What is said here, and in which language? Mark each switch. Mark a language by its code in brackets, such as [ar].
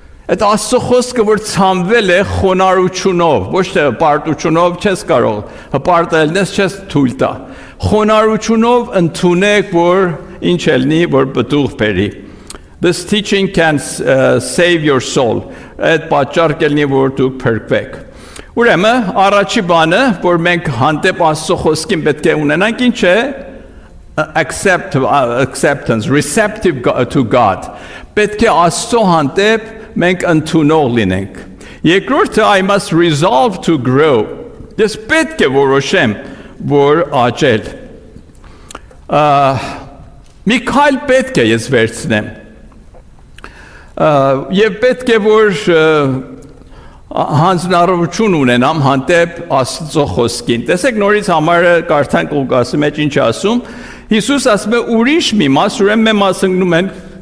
[hy] Այդ Աստծո խոսքը որ ցանվել է խոնարհությունով, ոչ թե հպարտությունով, չես կարող հպարտել, նես չես թույլ տա։ Խոնարհությունով ընդունեք, որ ինչ է լինի, որ պտուղ բերի։ [en] This teaching can save your soul. [hy] Այդ պատճառ կլինի, որ դուք փրկվեք։ Ուրեմն, առաջի բանը, որ մենք հանդեպ Աստծո խոսքին պետք է ունենանք, ինչ է? [en] Acceptance, receptive to God. [hy] Պետք է Աստծո հանդեպ մենք ընդունող լինենք։ Երկրորդը, [en] I must resolve to grow. [hy] Ես պետք է որոշեմ, որ աճել։ Մի քայլ պետք է ես վերցնեմ։ Եվ պետք է, որ հանձնարարություն ունենամ հանդեպ Աստծո խոսքին։ Տեսեք, նորից համարը կարդանք Ուղղասի մեջ ինչ ասում։ Հիսուս ասում է, ուրիշ մի մաս, ուրեմն մեր մասն գնում են